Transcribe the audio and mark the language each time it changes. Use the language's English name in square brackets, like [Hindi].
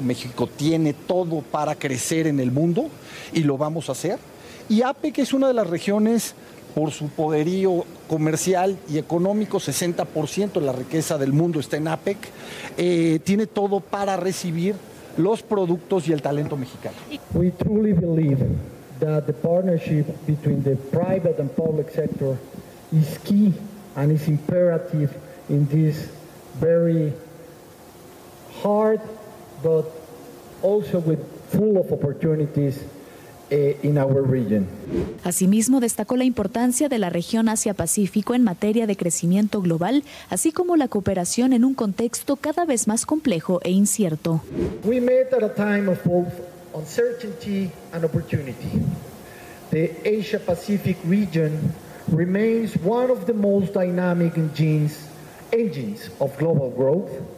[Spanish] México tiene todo para crecer en el mundo y lo vamos a hacer. Y APEC es una de las regiones, por su poderío comercial y económico, 60% de la riqueza del mundo está en APEC, tiene todo para recibir los productos y el talento mexicano. [English] We truly believe that the partnership between the private and public sector is key and is imperative in this very hard, but also with full of opportunities in our region. [Spanish] Asimismo, destacó la importancia de la región Asia-Pacífico en materia de crecimiento global, así como la cooperación en un contexto cada vez más complejo e incierto. [English] We met at a time of both uncertainty and opportunity. The Asia-Pacific region remains one of the most dynamic engines of global growth,